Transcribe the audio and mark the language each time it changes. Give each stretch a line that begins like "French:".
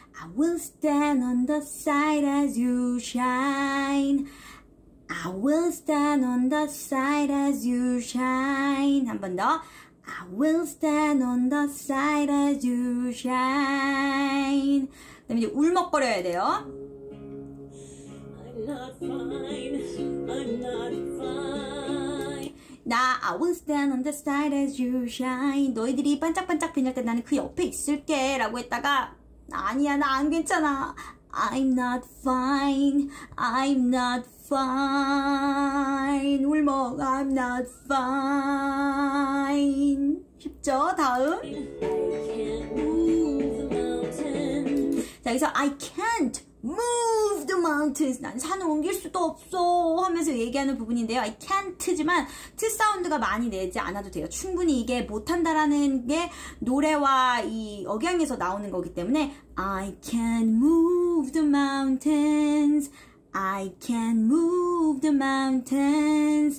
English: I will stand on the side as you shine. I will stand on the side as you shine.
Korean: 한 번 더.
English: I will stand on the side as you shine.
Korean: 그 다음에 이제 울먹거려야 돼요.
English: I'm not fine, I'm not fine.
Korean: 나,
English: I will stand on the side as you shine.
Korean: 너희들이 반짝반짝 빛날 때 나는 그 옆에 있을게 라고 했다가 아니야, 나 안 괜찮아.
English: I'm not fine, I'm not fine. 울먹, I'm not fine.
Korean: 쉽죠? 다음.
English: I can't move the mountains.
Korean: 자, 여기서
English: I can't move the mountains.
Korean: 난 산을 옮길 수도 없어 하면서 얘기하는 부분인데요. I can't지만 T 사운드가 많이 내지 않아도 돼요. 충분히 이게 못한다라는 게 노래와 이 억양에서 나오는 거기 때문에
English: I can't move the mountains. I can move the mountains.